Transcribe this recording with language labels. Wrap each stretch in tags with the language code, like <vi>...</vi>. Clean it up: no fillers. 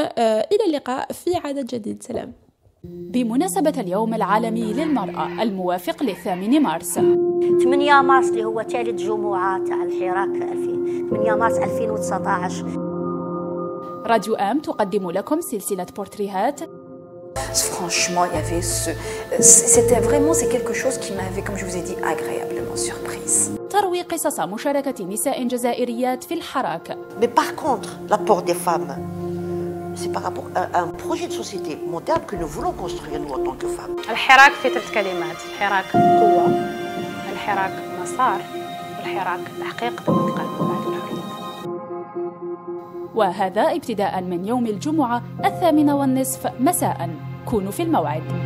<ar>الى اللقاء في عدد جديد. سلام. بمناسبة اليوم العالمي للمرأة الموافق للثامن مارس، 8 مارس اللي هو ثالث جمعة تاع الحراك 8 مارس 2019، راديو ام تقدم لكم سلسله بورتريهات.</ar> <fr>franchement il y avait ce c'était vraiment c'est quelque chose qui m'avait comme je vous ai dit agréablement surprise.</fr> <ar>تروي قصص مشاركه نساء جزائريات في الحراك.</ar> <fr>mais par contre l'apport des femmes c'est par rapport à un projet de société moderne que nous voulons construire nous en tant que femmes.</fr> <ar>الحراك في ثلاث كلمات، الحراك قوه، الحراك مسار، والحراك تحقيق ذات القلب. وهذا ابتداء من يوم الجمعة 8:30 مساء. كونوا في الموعد.</ar>